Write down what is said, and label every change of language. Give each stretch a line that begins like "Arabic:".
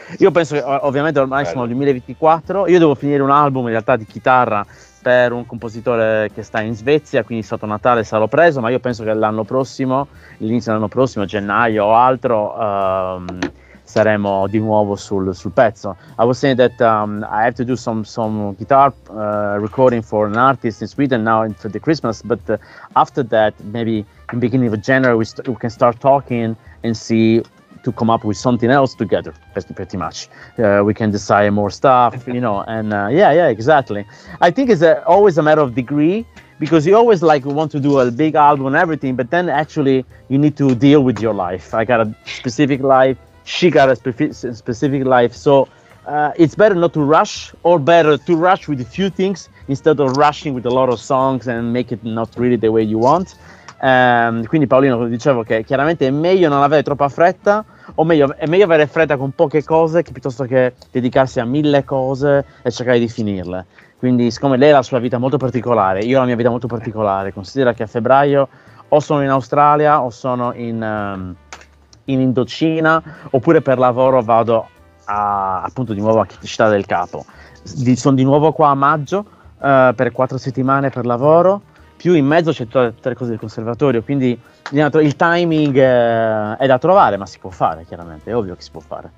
Italian: Io penso che ovviamente ormai siamo nel 2024, io devo finire un album in realtà di chitarra per un compositore che sta in Svezia, quindi sotto Natale sarò preso, ma io penso che l'anno prossimo, l'inizio dell'anno prossimo, gennaio o altro, saremo di nuovo sul pezzo.
English: I was saying that I have to do some guitar recording for an artist in Sweden now for the Christmas, but after that, maybe in beginning of January, we can start talking and see to come up with something else together, pretty much. We can decide more stuff, you know, and yeah, exactly. I think it's always a matter of degree, because you always like want to do a big album and everything, but then actually you need to deal with your life. I got a specific life, she got a specific life, so it's better not to rush, or better to rush with a few things instead of rushing with a lot of songs and make it not really the way you want.
Italian: Quindi Paolino, dicevo che chiaramente è meglio non avere troppa fretta, o meglio, è meglio avere fretta con poche cose che, piuttosto che dedicarsi a mille cose e cercare di finirle. Quindi siccome lei ha la sua vita molto particolare, io ho la mia vita molto particolare, considera che a febbraio o sono in Australia o sono in Indocina, oppure per lavoro vado appunto di nuovo a Città del Capo, sono di nuovo qua a maggio per 4 settimane per lavoro, più in mezzo c'è tutte le cose del conservatorio, quindi il timing è da trovare, ma si può fare, chiaramente, è ovvio che si può fare.